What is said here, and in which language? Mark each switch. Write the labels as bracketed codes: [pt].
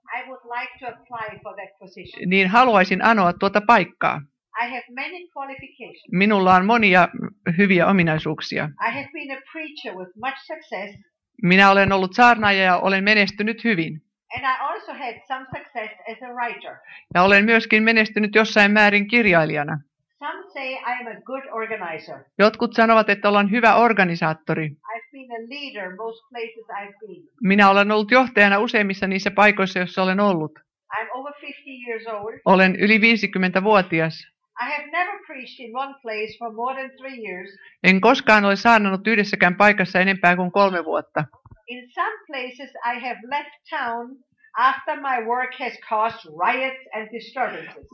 [en] I would like to apply for that position. [fi] Niin haluaisin anoa tuota paikkaa. [en] I have many qualifications. [fi] Minulla on monia hyviä ominaisuuksia. [en] I have been a preacher with much success. [fi] Minä olen ollut saarnaaja ja olen menestynyt hyvin. [en] And I also had some success as a writer. [fi] Ja olen myöskin menestynyt jossain määrin kirjailijana. [en] Some say I am a good organizer. [fi] Jotkut sanovat, että olen hyvä organisaattori. [en] I've been a leader most places I've been. [fi] Minä olen ollut johtajana useimmissa niissä paikoissa, joissa olen ollut. [en] I'm over 50 years old. [fi] Olen yli 50-vuotias. [en] I have never preached in one place for more than 3 years. [fi] En koskaan ole saarnannut yhdessäkään paikassa enempää kuin 3 vuotta. [en] In some places I have left town. After my work has caused riots and disturbances.